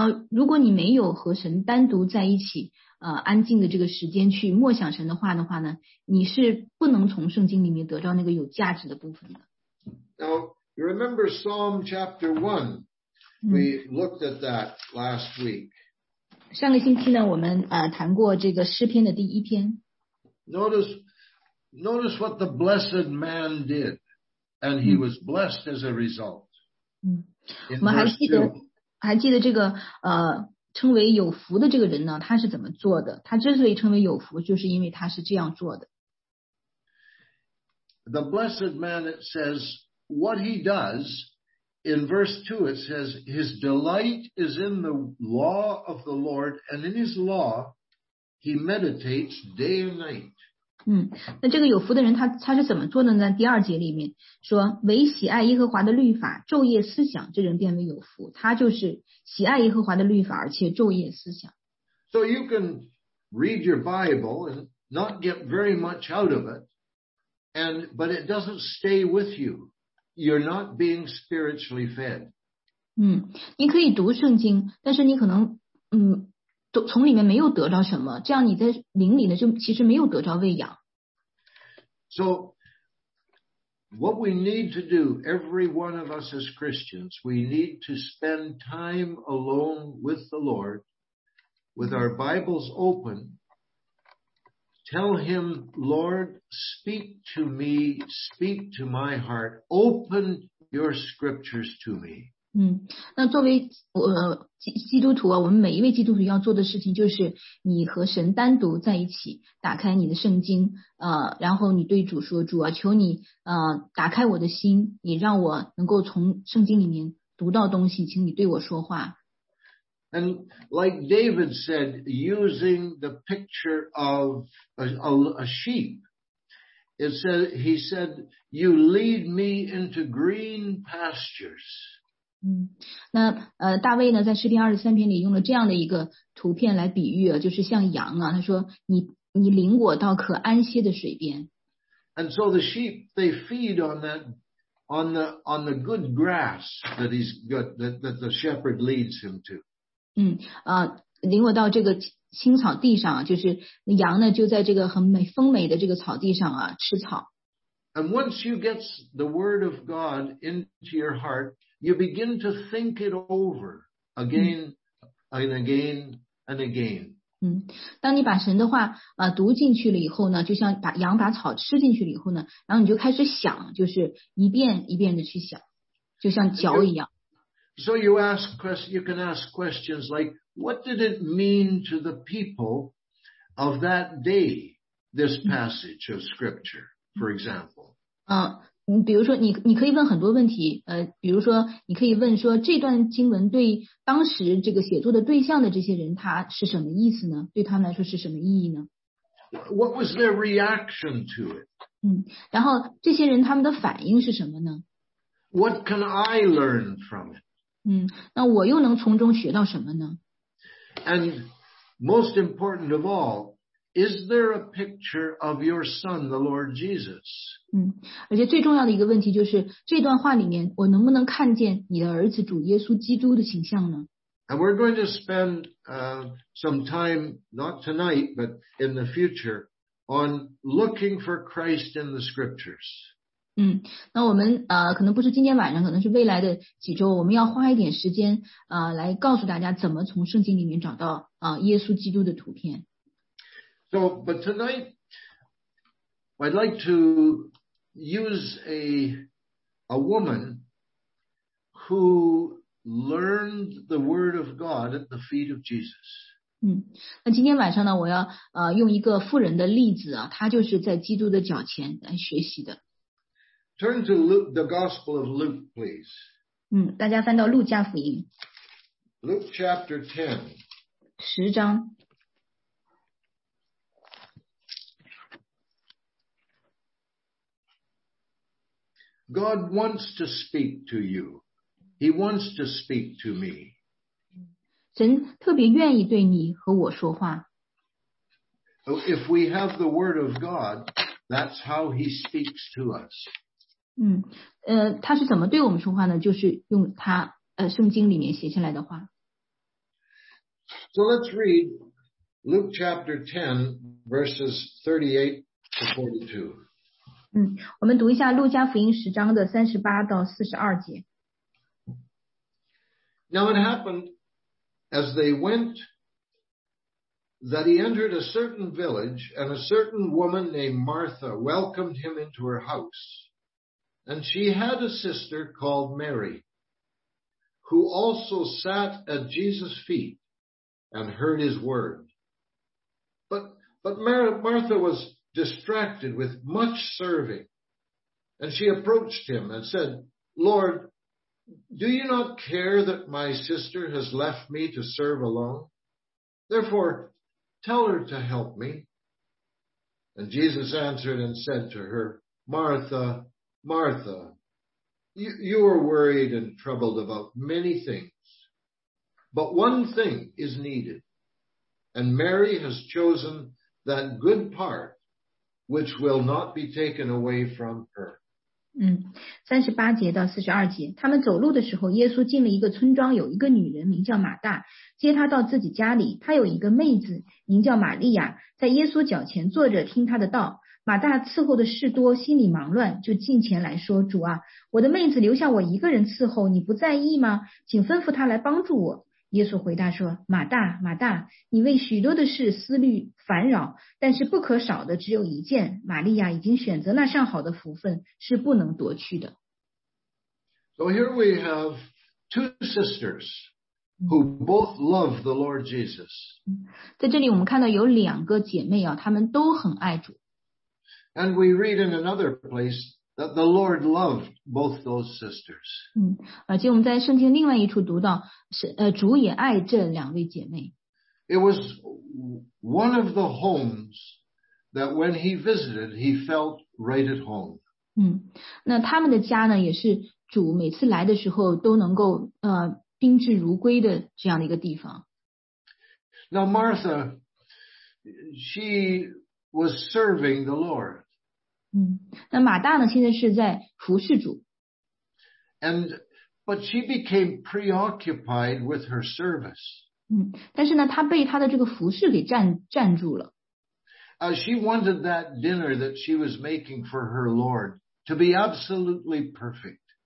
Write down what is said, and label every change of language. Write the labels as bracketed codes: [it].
[zh] 如果你没有和神单独在一起安静的这个时间去默想神的话的话呢，你是不能从圣经里面得到那个有价值的部分的。 [en] Now, you remember Psalm chapter 1. We looked at that last week. [zh] 上个星期呢，我们谈过这个诗篇的第一篇。 [en] Notice what the blessed man did, and he was blessed as a result. [zh] 我们还记得这个称为有福的这个人呢，他是怎么做的？他之所以称为有福，就是因为他是这样做的。 [en] The blessed man, it says, what he does, in verse 2, it says, his delight is in the law of the Lord, and in his law, he meditates day and night. [zh] 那这个有福的人他是怎么做的呢？第二节里面说，唯喜爱耶和华的律法，昼夜思想，这人变为有福。他就是喜爱耶和华的律法，而且昼夜思想。 [en] So you can read your Bible and not get very much out of it, but it doesn't stay with you. You're not being spiritually fed. [zh] 你可以读圣经，但是你可能从里面没有得到什么，这样你在灵里呢就其实没有得到喂养。 [en] So, what we need to do, every one of us as Christians, we need to spend time alone with the Lord, with our Bibles open, tell Him, Lord, speak to me, speak to my heart, open your scriptures to me. [zh] 那作为基督徒啊，我们每一位基督徒要做的事情就是你和神单独在一起，打开你的圣经，然后你对主说，主啊，求你打开我的心，你让我能够从圣经里面读到东西，请你对我说话。 [en] And like David said, using the picture of a sheep, he said, you lead me into green pastures. [zh] 那大卫呢，在诗篇23篇里用了这样的一个图片来比喻啊，就是像羊啊，他说你领我到可安歇的水边。 [en] And so the sheep, they feed on the good grass that he's got, that the shepherd leads him to. [zh] 领我到这个青草地上，就是羊呢就在这个很美丰美的这个草地上啊吃草。 [en] And once you get the word of God into your heart,You begin to think it over again and again and again. [zh] 当你把神的话读进去了以后呢，就像把羊把草吃进去了以后呢，然后你就开始想，就是一遍一遍的去想，就像嚼一样。 [en] So you can ask questions like, what did it mean to the people of that day, this passage of scripture, for example? [zh] 比如说你可以问很多问题，比如说你可以问说这段经文对当时这个写作的对象的这些人他是什么意思呢？对他们来说是什么意义呢？ [en] What was their reaction to it? [zh] 然后这些人他们的反应是什么呢？ [en] What can I learn from it? [zh] 那我又能从中学到什么呢？ [en] And most important of all,Is there a picture of your son, the Lord Jesus? [zh] 而且最重要的一个问题就是这段话里面我能不能看见你的儿子主耶稣基督的形象呢？ [en] And we're going to spend some time, not tonight, but in the future, on looking for Christ in the scriptures. [zh] 那我们可能不是今天晚上，可能是未来的几周，我们要花一点时间来告诉大家怎么从圣经里面找到耶稣基督的图片。 [en] So, but tonight, I'd like to use a woman who learned the word of God at the feet of Jesus. [zh] 嗯，那今天晚上呢，我要用一个妇人的例子啊，她就是在基督的脚前来学习的。 [en] Turn to Luke, the Gospel of Luke, please. [zh] 嗯，大家翻到路加福音。 [en] Luke chapter 10. [zh] 十章。 [en] God wants to speak to you. He wants to speak to me. [zh] 神特别愿意对你和我说话。 [en] If we have the word of God, that's how he speaks to us. [zh] 他是怎么对我们说话呢？就是用他圣经里面写下来的话。 [en] So let's read Luke chapter 10, verses 38 to 42. [zh] 我们读一下路加福音十章的38到42节。 [en] Now it happened as they went that he entered a certain village and a certain woman named Martha welcomed him into her house. And she had a sister called Mary who also sat at Jesus' feet and heard his word. But Martha was distracted with much serving. And she approached him and said, Lord, do you not care that my sister has left me to serve alone? Therefore, tell her to help me. And Jesus answered and said to her, Martha, Martha, you are worried and troubled about many things, but one thing is needed. And Mary has chosen that good part which will not be taken away from her. [zh] 38节到42节，他们走路的时候，耶稣进了一个村庄，有一个女人名叫马大，接她到自己家里。她有一个妹子名叫玛利亚，在耶稣脚前坐着听他的道。马大伺候的事多，心里忙乱，就近前来说，主啊，我的妹子留下我一个人伺候，你不在意吗？请吩咐她来帮助我。耶稣回答说，马大，马大，你为许多的事思虑烦扰，但是不可少的只有一件，玛利亚已经选择那上好的福分，是不能夺去的。 [en] So here we have two sisters who both love the Lord Jesus. [zh] 在这里我们看到有两个姐妹啊，她们都很爱主。 [en] And we read in another place,that the Lord loved both those sisters. [zh] 而且我们在圣经另外一处读到，主也爱这两位姐妹。 [en] It was one of the homes that when he visited, he felt right at home. [zh] 那他们的家呢，也是主每次来的时候都能够宾至如归的这样的一个地方。 [en] Now Martha, she was serving the Lord. [zh] 那马大呢，现在是在服侍主。 [en] But she became preoccupied with her service. [zh] 但是呢，她被她的这个服侍给占住了。 [en] She wanted that dinner that she was making for her Lord to be absolutely perfect.